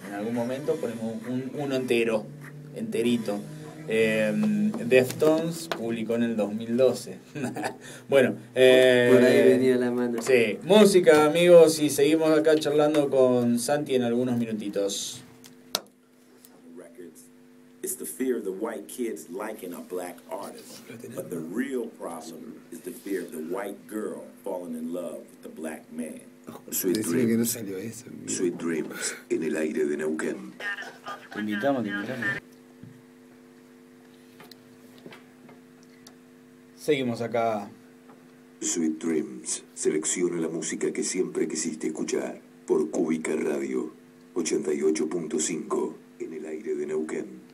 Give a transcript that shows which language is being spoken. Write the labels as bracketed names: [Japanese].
[Spanish] En algún momento ponemos uno entero. Enterito. Deftones publicó en el 2012. Bueno, por ahí venía la mano. Sí, música, amigos, y seguimos acá charlando con Santi en algunos minutitos. [English] Records. It's the fear of the white kids liking a black artist. But the real problem is the fear of the white girl falling in love with the black man. [Spanish] Sweet Dream. Que no salió eso, Sweet Dreams en el aire de Neuquén. Te invitamos. Seguimos acá. Sweet Dreams. Selecciona la música que siempre quisiste escuchar por Cúbica Radio 88.5 en el aire de Neuquén.